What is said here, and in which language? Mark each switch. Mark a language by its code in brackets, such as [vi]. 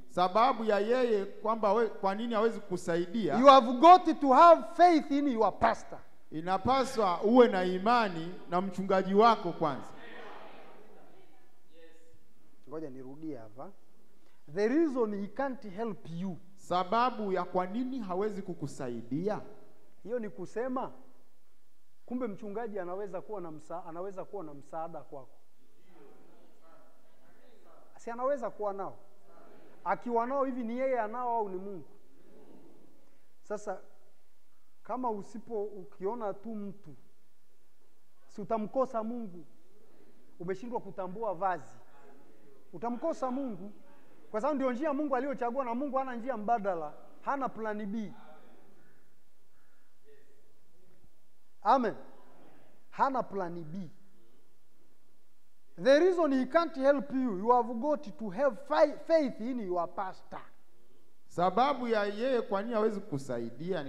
[sw] sababu ya yeye kwamba kwa nini hawezi kusaidia, [en] you have got to have faith in your pastor. [sw] Inapaswa uwe na imani na mchungaji wako kwanza. Yes. Ngoja nirudie hapa. [en] The reason he can't help you, [sw] sababu ya kwa nini hawezi kukusaidia, hiyo ni kusema kumbe mchungaji anaweza kuwa na msaada kwako. Si anaweza kuwa nao? Akiwa nao hivi ni yeye anao au ni Mungu? Sasa kama ukiona tu mtu, si utamkosa Mungu? Umeshindwa kutambua vazi, utamkosa Mungu? Kwa sababu ndio njia Mungu aliyochagua, na Mungu hana njia mbadala, hana plan B. Amen. Hana plan B. [en] The reason he can't help you, you have got to have faith in your pastor. [sw] Sababu ya yeye kwa nini hawezi kusaidia ni,